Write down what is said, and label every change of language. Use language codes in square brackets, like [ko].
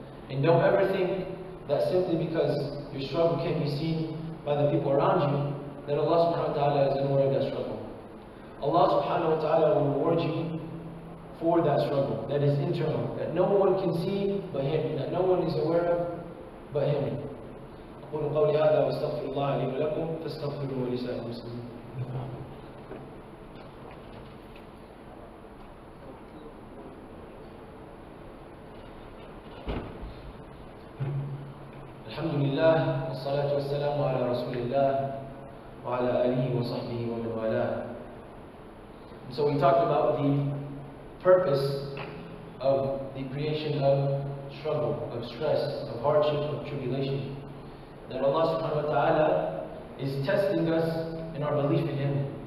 [en] And don't ever think that simply because your struggle can be seen by the people around you, that Allah subhanahu wa ta'ala is unaware of that struggle. Allah subhanahu wa ta'ala will reward you for that struggle that is internal, that no one can see but Him, that no one is aware of but Him. [ar] أقول قولي هذا واستغفر الله لي ولكم فاستغفروه لسائر المسلمين. الحمد لله والصلاة والسلام على رسول الله وعلى آله وصحبه ومن والاه. [en] So we talked about the purpose of the creation of struggle, of stress, of hardship, of tribulation. That Allah subhanahu wa ta'ala is testing us in our belief in Him.